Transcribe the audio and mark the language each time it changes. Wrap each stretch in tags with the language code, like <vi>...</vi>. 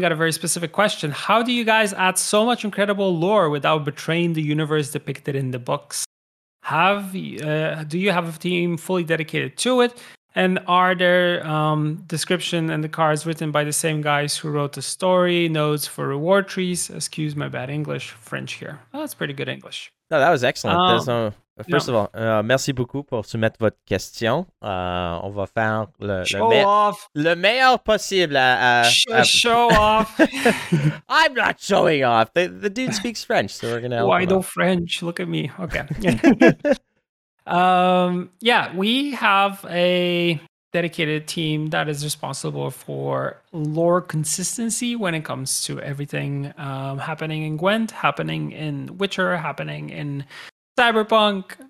<en>Got a very specific question. How do you guys add so much incredible lore without betraying the universe depicted in the books? Do you have a team fully dedicated to it? And are there description and the cards written by the same guys who wrote the story, notes for reward trees? Excuse my bad English, French here. Oh, that's pretty good English. No, that was excellent.</en> <fr>Merci beaucoup pour soumettre votre question. On va faire le meilleur possible.</fr> <en>Show off. I'm not showing off. The dude speaks French, so we're going to help. Why don't French? Look at me. Okay. yeah, we have a dedicated team that is responsible for lore consistency when it comes to everything happening in Gwent, happening in Witcher, happening in Cyberpunk.</en>